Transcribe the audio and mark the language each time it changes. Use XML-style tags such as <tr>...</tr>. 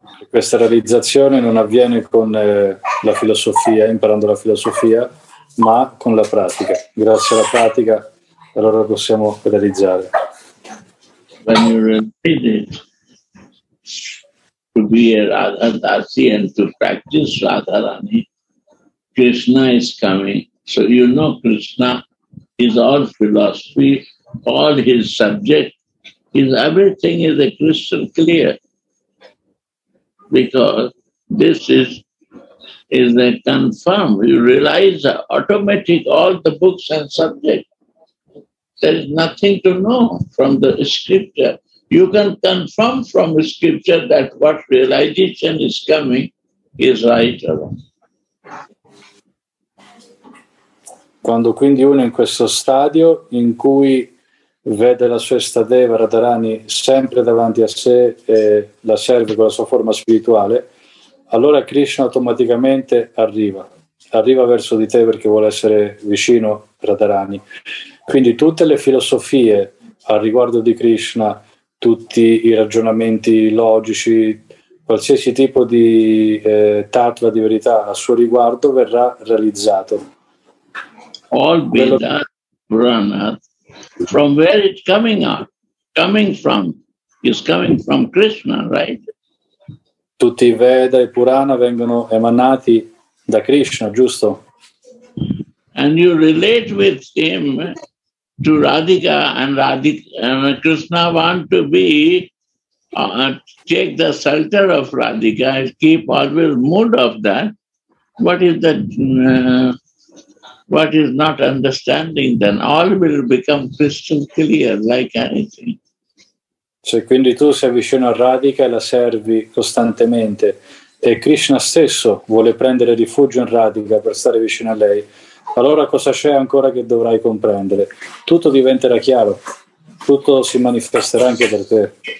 <it>Questa realizzazione non avviene con la filosofia, imparando la filosofia, ma con la pratica. Grazie alla pratica allora possiamo realizzare.</it> <en>When you realize it, to be a Radhadasi and to practice Radharani, Krishna is coming. So you know Krishna is all philosophy, all his subject, his everything is a crystal clear. Because this is a confirm. You realize automatic all the books and subject. There is nothing to know from the scripture. You can confirm from scripture that what realization is coming is right or wrong.</en> <it>Quando quindi uno in questo stadio in cui vede la sua Istadeva Radharani sempre davanti a sé e la serve con la sua forma spirituale, allora Krishna automaticamente arriva verso di te perché vuole essere vicino a Radharani. Quindi tutte le filosofie a riguardo di Krishna, tutti i ragionamenti logici, qualsiasi tipo di tattva di verità a suo riguardo verrà realizzato.</it> <en>All Vedas, Puranas, from where it's coming out, coming from, is coming from Krishna, right?</en> <it>Tutti i Veda e Purana vengono emanati da Krishna, giusto?</it> <en>And you relate with him to Radhika, and Radhika and Krishna want to be take the shelter of Radhika and keep always mood of that. What is that? What is not understanding, then all will become crystal clear, like anything.</en> <it>Cioè, quindi tu sei vicino a Radhika e la servi costantemente, e Krishna stesso vuole prendere rifugio in Radhika per stare vicino a lei. Allora cosa c'è ancora che dovrai comprendere? Tutto diventerà chiaro, tutto si manifesterà anche per te.</it>